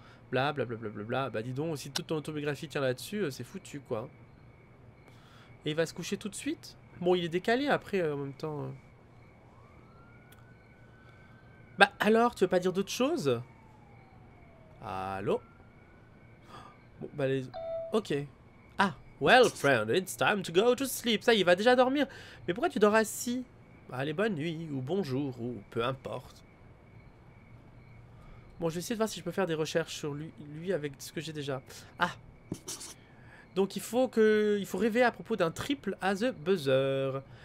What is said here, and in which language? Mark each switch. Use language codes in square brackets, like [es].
[fr] Bla, bla, bla, bla, bla, bla. Bah, dis donc, si toute ton autobiographie tient là-dessus, c'est foutu quoi. Et il va se coucher tout de suite? Bon, il est décalé après en même temps. Bah alors, tu veux pas dire d'autre chose? Allô? Bon, bah les. Ok. [en] Ah, well, friend, it's time to go to sleep. [fr] Ça y est, il va déjà dormir. Mais pourquoi tu dors assis? Bah, allez, bonne nuit, ou bonjour, ou peu importe. Bon, je vais essayer de voir si je peux faire des recherches sur lui avec ce que j'ai déjà. Ah! Donc il faut rêver à propos d'un triple à the buzzer.